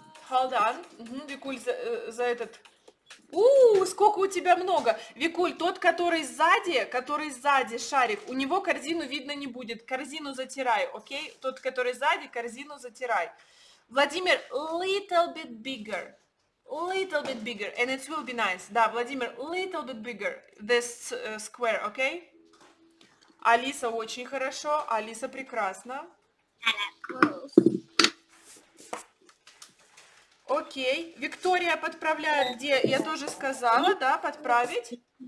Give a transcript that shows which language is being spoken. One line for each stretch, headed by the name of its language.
English: Hold on.
Russian: Викуль, за этот... сколько у тебя много! Викуль, тот, который сзади шарик, у него корзину видно не будет. Корзину затирай, окей?
English: Okay?
Russian: Тот, который сзади, корзину затирай. Владимир,
English: little bit bigger. Little bit bigger, and it will be nice.
Russian: Да, Владимир,
English: little bit bigger, this square, okay?
Russian: Алиса очень хорошо, Алиса прекрасно. Окей, Виктория подправляет, где я тоже сказала, да, подправить.